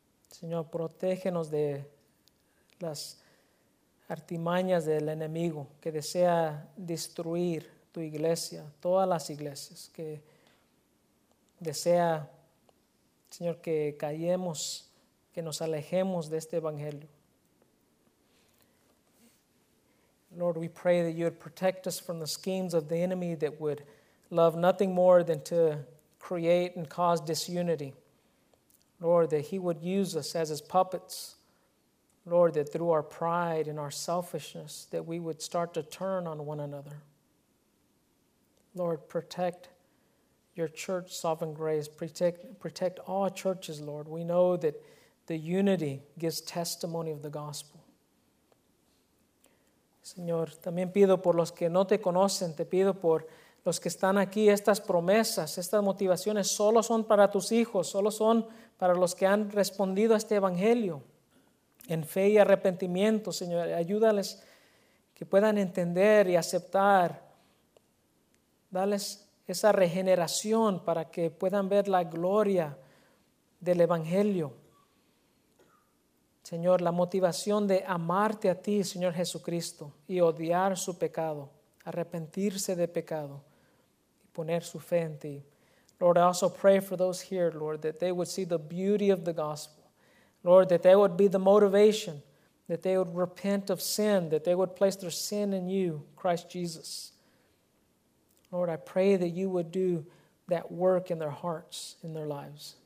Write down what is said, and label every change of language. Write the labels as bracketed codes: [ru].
[es] Señor, protégenos de las artimañas del enemigo que desea destruir tu iglesia, todas las iglesias, que desea, Señor, que callemos, que nos alejemos de este evangelio. [en] Lord, we pray that you would protect us from the schemes of the enemy that would love nothing more than to create and cause disunity. Lord, that he would use us as his puppets. Lord, that through our pride and our selfishness, that we would start to turn on one another. Lord, protect your church, Sovereign Grace. Protect all churches, Lord. We know that the unity gives testimony of the gospel. [es] Señor, también pido por los que no te conocen, te pido por los que están aquí, estas promesas, estas motivaciones solo son para tus hijos, solo son para los que han respondido a este evangelio en fe y arrepentimiento. Señor, ayúdales que puedan entender y aceptar, dales esa regeneración para que puedan ver la gloria del evangelio. Señor, la motivación de amarte a ti, Señor Jesucristo, y odiar su pecado, arrepentirse de pecado, y poner su fe en ti. [en] Lord, I also pray for those here, Lord, that they would see the beauty of the gospel. Lord, that they would be the motivation, that they would repent of sin, that they would place their sin in you, Christ Jesus. Lord, I pray that you would do that work in their hearts, in their lives.